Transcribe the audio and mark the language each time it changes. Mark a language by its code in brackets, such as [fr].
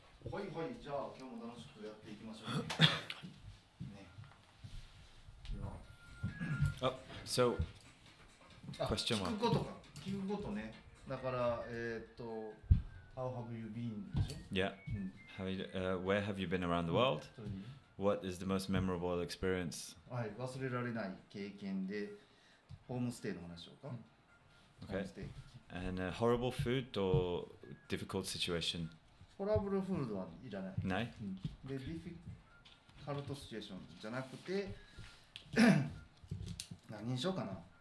[ja] はいはい、じゃあ今日も楽しくやっていきましょう ね、ね。あ、そう、 [en] question one。 [ja] 聞くことか、聞くことね。だから、 [en] How have you been? Yeah. How you,、where have you been around the world? What is the most memorable experience? [ja] はい、忘れられない経験で、ホームステイの話しようか。 [en] Okay. And horrible food or difficult situation? [ja] ホラブルフードはいらない。ない、うん、で、ディフィカルトシチュエーションじゃなくて、何にしようかな。